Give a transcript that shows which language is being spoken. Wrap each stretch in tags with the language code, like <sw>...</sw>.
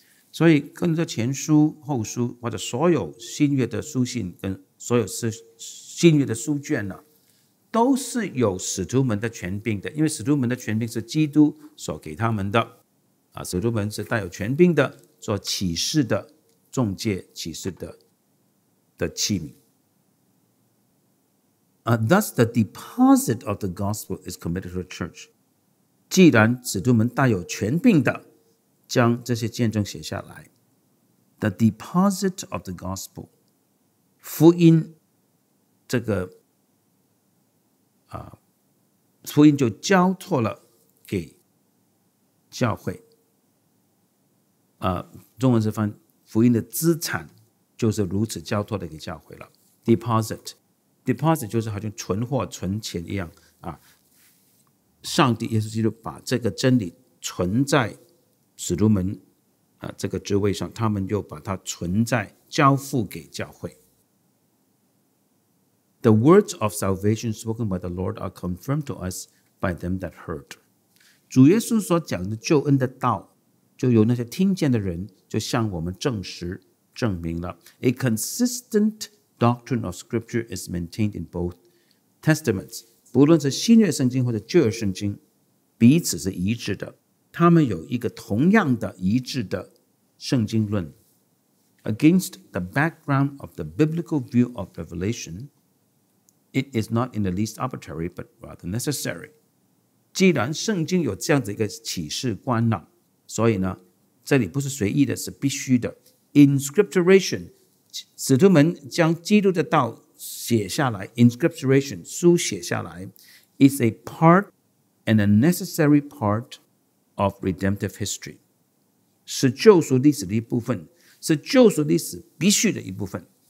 <zh>所以哥林多前书、后书或者所有新约的书信跟所有新约的书卷呢，都是有使徒们的权柄的，因为使徒们的权柄是基督所给他们的使徒们是带有权柄的，做启示的众诫启示的器皿。</zh> <en>Thus the deposit of the gospel is committed to the church.</en> <zh>既然使徒们带有权柄的将这些见证写下来，</zh> <en>The deposit of the gospel,</en> <zh>福音这个福音就交托了给教会中文是翻福音的资产就是如此交托的给教会了。 Deposit 就是好像存货存钱一样上帝耶稣基督把这个真理存在使徒们这个职位上，他们又把它存在交付给教会。</zh> <en>The words of salvation spoken by the Lord are confirmed to us by them that heard.</en> <zh>主耶稣所讲的救恩的道就由那些听见的人就向我们证实证明了。</zh> <en>A consistentDoctrine of Scripture is maintained in both testaments.</en> <zh>不论是新约圣经或者旧约圣经，彼此是一致的。他们有一个同样的一致的圣经论。</zh> <en>Against the background of the biblical view of Revelation, it is not in the least arbitrary, but rather necessary.</en> <zh>既然圣经有这样子一个启示观呢，所以呢，这里不是随意的，是必须的。 Inscripturation. 使徒们将基督的道写下来 inscripturation 书写下来</zh> <en>is a part and a necessary part of redemptive history</en> <zh>是救赎历史的一部分，是救赎历史必须的一部分。</zh>